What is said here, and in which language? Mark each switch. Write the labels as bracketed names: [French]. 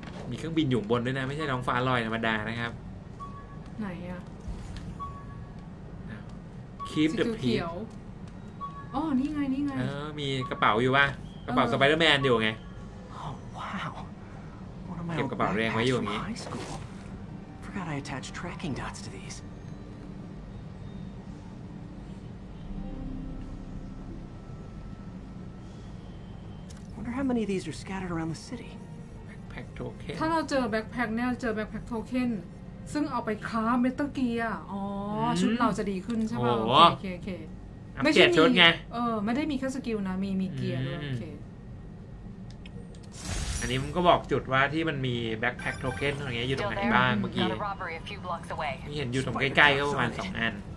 [Thai] มีเครื่องบินอยู่บนด้วยนะไม่ใช่น้องฟ้าลอยธรรมดานะครับ ไหนอะ คีปเดอะพี โอ้นี่ไงนี่ไง เออมีกระเป๋าอยู่ป่ะกระเป๋าสไปเดอร์แมนอยู่ไง ว้าว เก็บกระเป๋าแรงไว้อยู่งี้ [English] Forgot I attached tracking dots to these Wonder how many of these are scattered around the city Backpack token [Thai] ถ้าเราเจอแบ็คแพ็คเนี่ยเจอแบ็คแพ็คโทเค็นซึ่งเอาไปค้าเมตาเกียอ๋อชุดเราจะดีขึ้นใช่ป่ะโอเคโอเคโอเค ไม่ใช่ชุดไง เออไม่ได้มีแค่สกิลนะมีเกียร์ด้วยโอเคอันนี้มันก็บอกจุดว่าที่มันมีแบ็คแพ็คโทเค็นอะไรเงี้ยอยู่ตรงไหนบ้างเมื่อกี้มีเห็นอยู่ตรงใกล้ๆก็ประมาณ2อัน